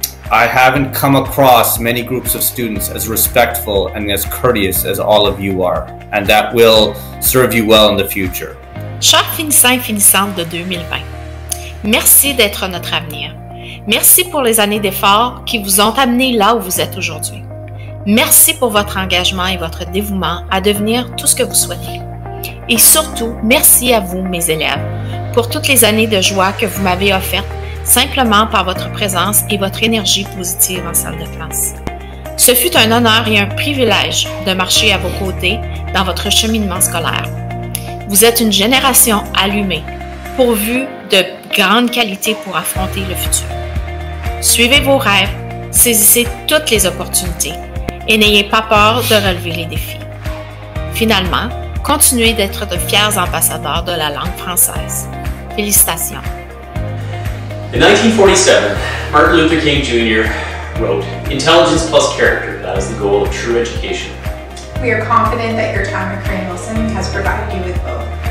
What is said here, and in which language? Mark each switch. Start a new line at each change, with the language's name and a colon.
English: I haven't come across many groups of students as respectful and as courteous as all of you are, and that will serve you well in the future.
French: Chers finissants et finissantes de 2020, merci d'être notre avenir. Merci pour les années d'efforts qui vous ont amené là où vous êtes aujourd'hui. Merci pour votre engagement et votre dévouement à devenir tout ce que vous souhaitez. Et surtout, merci à vous, mes élèves, pour toutes les années de joie que vous m'avez offertes simplement par votre présence et votre énergie positive en salle de classe. Ce fut un honneur et un privilège de marcher à vos côtés dans votre cheminement scolaire. Vous êtes une génération allumée, pourvue de grandes qualités pour affronter le futur. Suivez vos rêves, saisissez toutes les opportunités et n'ayez pas peur de relever les défis. Finalement, continuez d'être de fiers ambassadeurs de la langue française. Félicitations!
English: In 1947, Martin Luther King Jr. wrote, "Intelligence plus character, that as the goal of true education. We are confident that your time at CAIRINE WILSON has provided you with both.